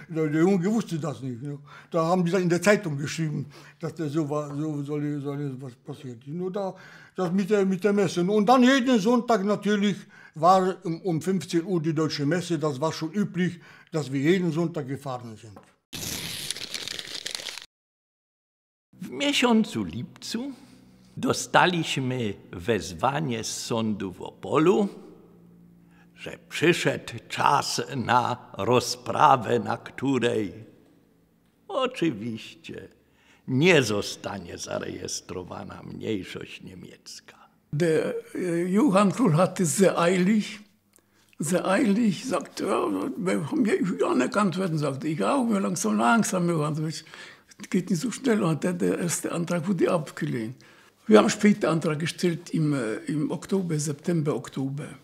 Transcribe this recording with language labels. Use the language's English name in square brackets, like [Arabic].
[German] Der Junge wusste das nicht. Ne? Da haben die dann in der Zeitung geschrieben, dass der so war, so soll was passiert. Nur da, das mit der Messe. Und dann jeden Sonntag natürlich, war um 15 Uhr die deutsche Messe, das war schon üblich, dass wir jeden Sonntag gefahren sind. [Polish] W miesiącu lipcu dostaliśmy wezwanie z sądu w Opolu, że przyszedł czas na rozprawę, na której oczywiście nie zostanie zarejestrowana mniejszość niemiecka. [German] Der Johann Krull hatte sehr eilig, sagte, wir haben anerkannt werden, sagte ich auch, wir langsam, langsam, Johann, das geht nicht so schnell, und der erste Antrag wurde abgelehnt. Wir haben später den Antrag gestellt im Oktober, September, Oktober.